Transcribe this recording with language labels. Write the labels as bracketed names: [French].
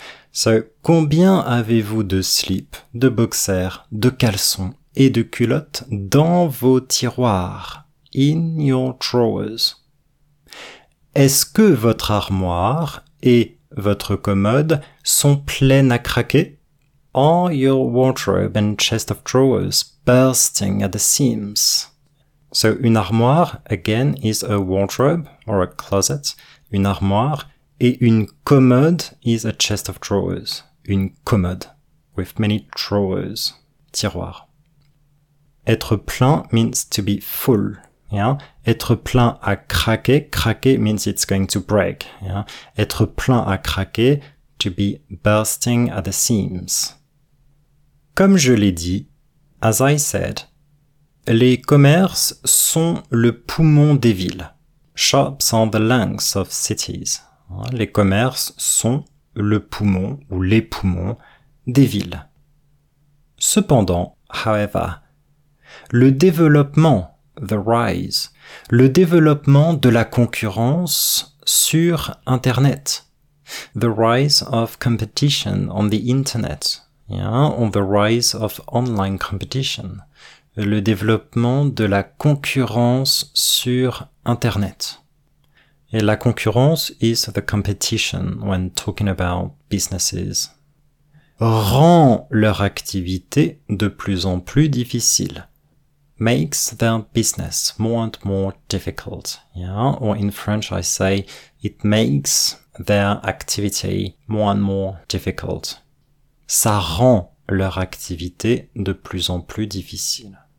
[French] So, combien avez-vous de slips, de boxers, de caleçons et de culottes dans vos tiroirs? [English] In your drawers. [French] Est-ce que votre armoire et votre commode sont pleines à craquer? [English] Are your wardrobe and chest of drawers bursting at the seams? So, une armoire, again, is a wardrobe or a closet. Une armoire. Et une commode is a chest of drawers. Une commode. With many drawers. Tiroir. Être plein means to be full. Yeah. [French] Être plein à craquer. [English] Craquer means it's going to break. Yeah. [French] Être plein à craquer. [English] To be bursting at the seams. [French] Comme je l'ai dit, [English] as I said, [French] les commerces sont le poumon des villes. [English] Shops are the lungs of cities. [French] Les commerces sont le poumon ou les poumons des villes. Cependant, however, le développement, [English] the rise, le développement de la concurrence sur Internet, the rise of competition on the Internet, yeah, on the rise of online competition, [French] le développement de la concurrence sur Internet. Et la concurrence [English] is the competition when talking about businesses. [French] Rend leur activité de plus en plus difficile. [English] Makes their business more and more difficult. Yeah? Or in French I say, it makes their activity more and more difficult. [French] Ça rend leur activité de plus en plus difficile.